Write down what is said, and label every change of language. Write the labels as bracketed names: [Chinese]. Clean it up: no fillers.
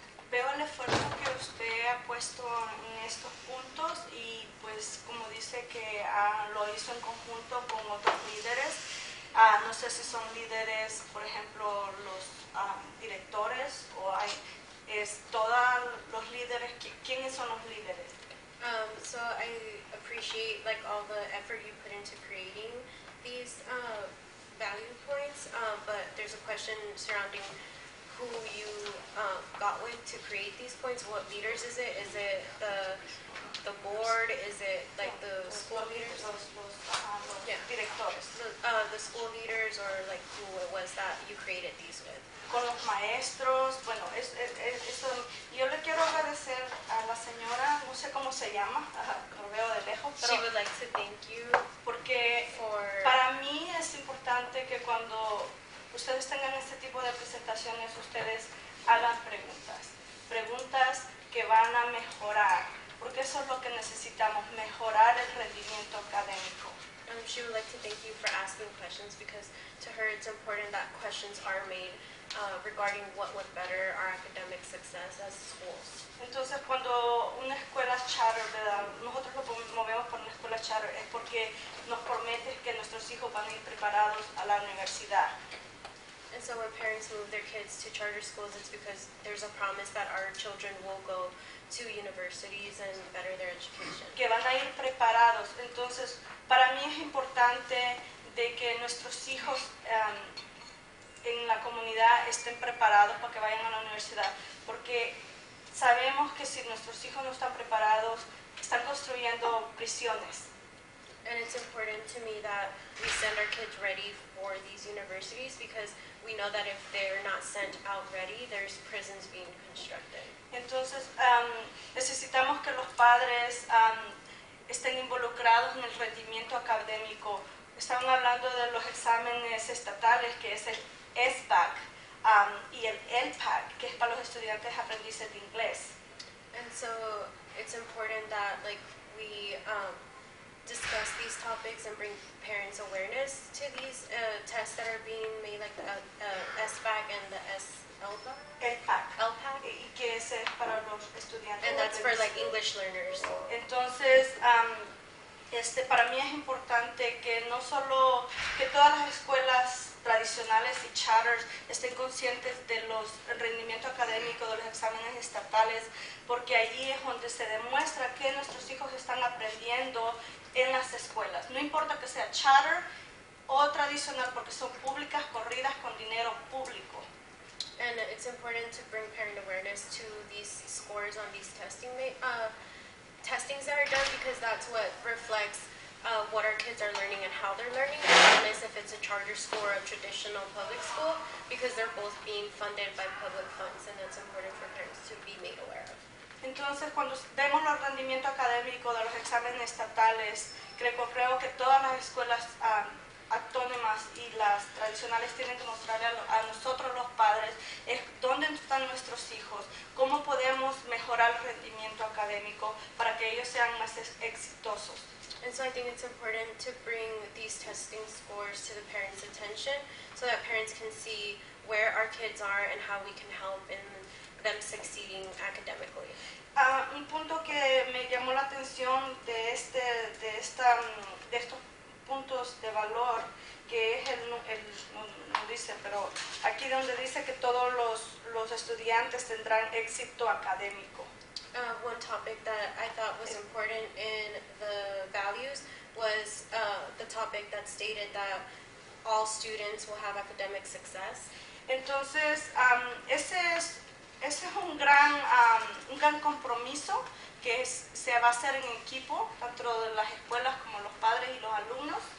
[Spanish] Veo el esfuerzo que usted ha puesto en estos puntos y pues como dice que lo hizo en conjunto con otros líderes, no sé si son líderes, por ejemplo, los directores o hay, es todos los líderes, ¿quiénes son los líderes? [English] So I appreciate like all the effort you put into creating these value points, but there's a question surrounding who you got with to create these points. What leaders is it? Is it the board? Is it like the school leaders? The school leaders or like who it was that you created these with? [Spanish] Con los maestros. Bueno, eso. Yo le quiero agradecer a la señora. No sé cómo se llama. Lo veo de lejos. Pero [English] she would like to thank you. [Spanish] Porque para mí es importante que cuando ustedes tengan este tipo de presentaciones, ustedes hagan preguntas. Preguntas que van a mejorar. Porque eso es lo que necesitamos, mejorar el rendimiento académico. [English] She would like to thank you for asking questions because to her it's important that questions are made regarding what would better our academic success as schools. [Spanish] Entonces, cuando una escuela charter, ¿verdad? Nosotros lo movemos por una escuela charter es porque nos promete que nuestros hijos van a ir preparados a la universidad. [English] And so when parents move their kids to charter schools, it's because there's a promise that our children will go to universities and better their education. [Spanish] Que van a ir preparados. Entonces, para mí es importante de que nuestros hijos en la comunidad estén preparados para que vayan a la universidad, porque sabemos que si nuestros hijos no están preparados, están construyendo prisiones. [English] And it's important to me that we send our kids ready for these universities because we know that if they're not sent out ready, there's prisons being constructed. [Spanish] Entonces, necesitamos que los padres estén involucrados en el rendimiento académico. Estaban hablando de los exámenes estatales, que es el ESPAC y el LPAC, que es para los estudiantes aprendices de inglés. [English] And so, it's important that like we discuss these topics and bring parents' awareness to these tests that are being made, like the ESPAC and the LPAC. [Spanish] Y que ese es para los estudiantes. [English] And that's for like English learners. [Spanish] Entonces, para mí es importante que no solo que todas las escuelas tradicionales y charters estén conscientes de los rendimiento académico de los exámenes estatales, porque allí es donde se demuestra que nuestros hijos están aprendiendo en las escuelas. No importa que sea charter o tradicional, porque son públicas corridas con dinero público. [English] And it's important to bring parent awareness to these scores on these testings that are done, because that's what reflects what our kids are learning and how they're learning, regardless if it's a charter school or a traditional public school, because they're both being funded by public funds, and it's important for parents to be made aware of. [Spanish] Entonces, cuando vemos los rendimientos académicos de los exámenes estatales, creo que todas las escuelas autónomas y las tradicionales tienen que mostrarle a nosotros los padres es dónde están nuestros hijos, cómo podemos mejorar el rendimiento académico para que ellos sean más exitosos. [English] And so I think it's important to bring these testing scores to the parents' attention so that parents can see where our kids are and how we can help in them succeeding academically. [Spanish] Un punto que me llamó la atención de este, de esta, de estos puntos de valor que es el, el no dice, pero aquí donde dice que todos los estudiantes tendrán éxito académico. [English] One topic that I thought was important in the values was the topic that stated that all students will have academic success. [Spanish] Entonces, ese es un gran compromiso que es, se va a hacer en equipo tanto de las escuelas como los padres y los alumnos.